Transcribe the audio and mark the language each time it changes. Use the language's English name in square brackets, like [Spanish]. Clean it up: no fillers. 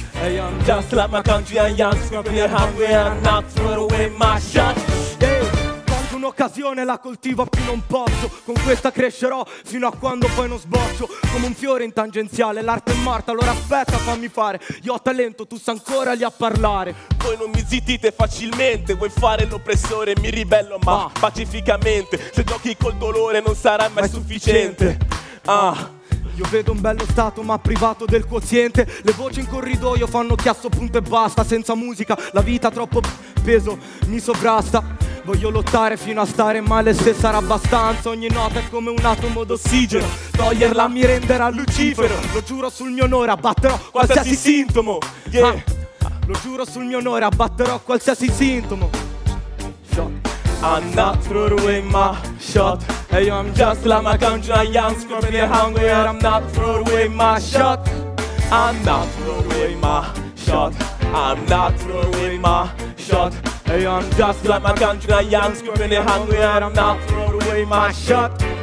[English] Hey, I'm just like my country, I'm young, scrappy and hungry. I'm not throwing my shot. [Italian] Un'occasione la coltivo a più non posso. Con questa crescerò fino a quando poi non sboccio. Come un fiore in tangenziale, l'arte è morta, allora aspetta, fammi fare. Io ho talento, tu sei ancora lì a parlare. Voi non mi zittite facilmente, vuoi fare l'oppressore, mi ribello ma pacificamente. Se giochi col dolore non sarà mai sufficiente. Ah. Io vedo un bello stato ma privato del quoziente. Le voci in corridoio fanno chiasso, punto e basta. Senza musica la vita troppo peso mi sovrasta. Voglio lottare fino a stare male se sarà abbastanza. Ogni nota è come un atomo d'ossigeno. Toglierla mi renderà lucifero. Lo giuro sul mio onore, abbatterò qualsiasi sintomo. [English] Yeah. [Italian] Lo giuro sul mio onore, abbatterò qualsiasi sintomo. [English] Shot. I'm not throwing my shot. Hey, I'm just like my country, I am scrubbing it hungry. I'm not throwing my shot. I'm not throwing my shot. I'm not throwing my shot. Hey, I'm just like my country, I am scrubbing it hungry. I'm not throwing away my shot.